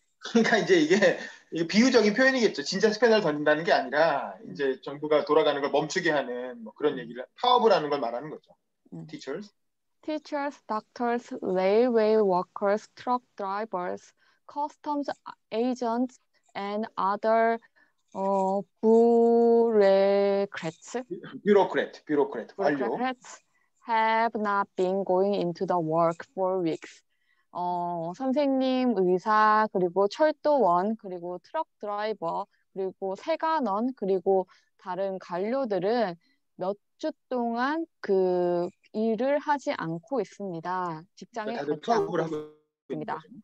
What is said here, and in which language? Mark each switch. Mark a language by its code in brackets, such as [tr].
[ko] 그러니까 이제 이게 비유적인 표현이겠죠. 진짜 스패너를 던진다는 게 아니라 이제 정부가 돌아가는 걸 멈추게 하는 뭐 그런 얘기를 파업을 하는 걸 말하는 거죠. [en] Teachers, doctors, railway workers, truck drivers, customs agents, and other bureaucrats have not been going into the work for weeks. [ko] 선생님, 의사, 그리고 철도원, 그리고 트럭 드라이버, 그리고 세관원, 그리고 다른 관료들은 몇 주 동안 그 일을 하지 않고 있습니다. 직장에 다들 하고 있습니다.